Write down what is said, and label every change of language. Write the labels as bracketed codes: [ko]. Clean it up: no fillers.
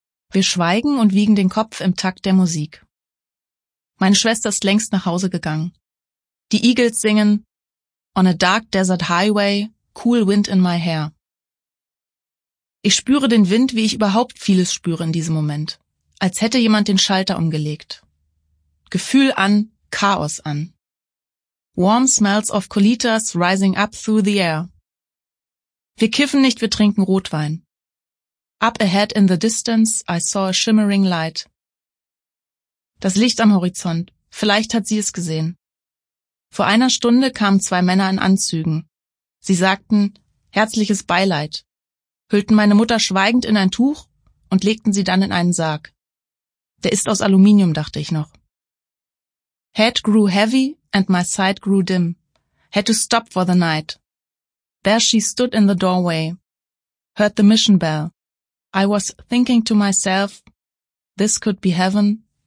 [de] Wir schweigen und wiegen den Kopf im Takt der Musik. Meine Schwester ist längst nach Hause gegangen. Die Eagles singen [en] On a Dark Desert Highway, Cool Wind in My Hair. [de] Ich spüre den Wind, wie ich überhaupt vieles spüre in diesem Moment. Als hätte jemand den Schalter umgelegt. Gefühl an, Chaos an. [en] Warm smells of colitas rising up through the air. [de] Wir kiffen nicht, wir trinken Rotwein. [en] Up ahead in the distance, I saw a shimmering light. [de] Das Licht am Horizont, vielleicht hat sie es gesehen. Vor einer Stunde kamen 2 Männer in Anzügen. Sie sagten, herzliches Beileid, hüllten meine Mutter schweigend in ein Tuch und legten sie dann in einen Sarg. Der ist aus Aluminium, dachte ich noch. [en] Head grew heavy and my sight grew dim. Had to stop for the night. There she stood in the doorway. Heard the mission bell. I was thinking to myself, this could be heaven.